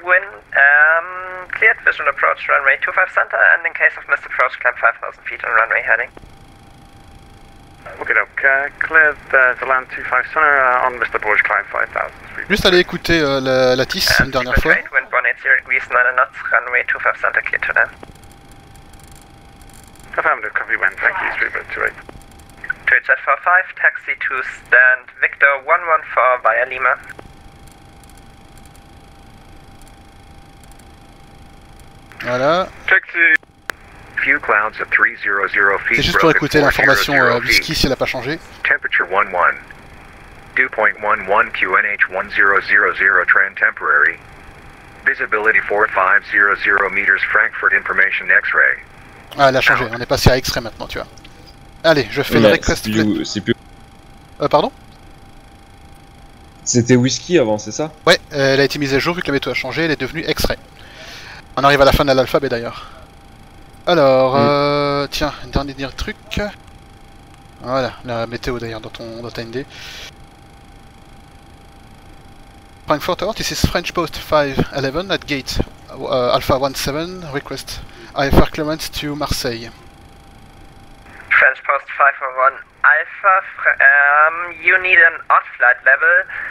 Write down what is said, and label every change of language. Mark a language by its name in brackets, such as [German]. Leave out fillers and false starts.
[English] Wind, cleared visual approach runway 25 center, and in case of missed approach, climb 5000 feet on runway heading. Okay, look, cleared to land 25 center on missed approach, climb 5000. [French] Juste aller écouter la TIS une dernière fois. [English] Wind 180 degrees, 9 knots, runway 25 center, clear to land. Affirmative, copy wind, thank you, Sweeper 28. ZF45, taxi to stand Victor 114 via Lima. [French] Voilà. [English] Taxi. Few clouds at 300 feet. [French] C'est juste pour écouter l'information jusqu'ici, si elle a pas changé. [English] Temperature 11. Dew point 11 QNH 1000 trend temporary. Visibility 4500 meters Frankfurt information X-ray. [French] Ah, elle a changé, on est passé à X-ray maintenant, tu vois. Allez, je fais le request. Pardon? C'était Whisky avant, c'est ça? Ouais, elle a été mise à jour vu que la météo a changé, elle est devenue X-ray. On arrive à la fin de l'alphabet d'ailleurs. Alors, tiens, dernier truc. Voilà, la météo d'ailleurs dans ta ND. [English] Frankfurt Tower, this is French Post 511 at gate Alpha 17, request IFR clearance to Marseille. French Post 501 Alpha, you need an odd flight level.